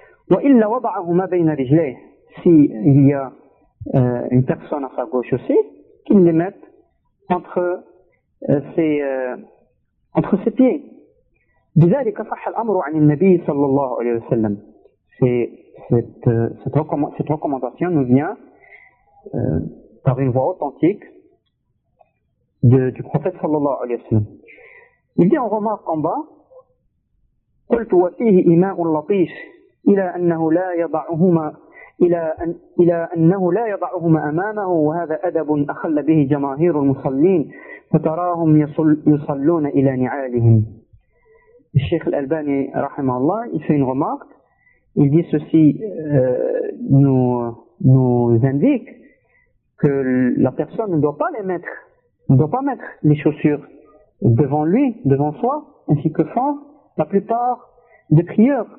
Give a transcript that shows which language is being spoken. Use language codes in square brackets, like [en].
[ar] Wa illa wada'ahuma bayna rijlayh. [fr] S'il y a une personne à sa gauche aussi, qu'il les mette entre ses pieds. [ar] بِذَلِكَ صَحَّ الْأَمْرُ عَنِ النَّبِيِّ صَلَّى اللَّهُ عَلَيْهِ وَسَلَّمَ. [fr] Cette recommandation nous vient par une voix authentique du prophète [ar] صلى الله عليه وسلم. [fr] Il dit en remarque en bas, [ar] قُلْتُ وَفِيهِ إِمَاءٌ لَطِيشٌ إِلَى أَنَّهُ لَا يَضَعُهُمَا إلى أنه لا يضعهما أمامه وهذا أدب أخل به جماهير المصلين فتراهم يصلون إلى نعالهم. الشيخ الألباني رحمه الله [fr] il fait une remarque, il dit ceci nous indique que la personne ne doit pas mettre les chaussures devant lui, devant soi, ainsi que font la plupart des prieurs.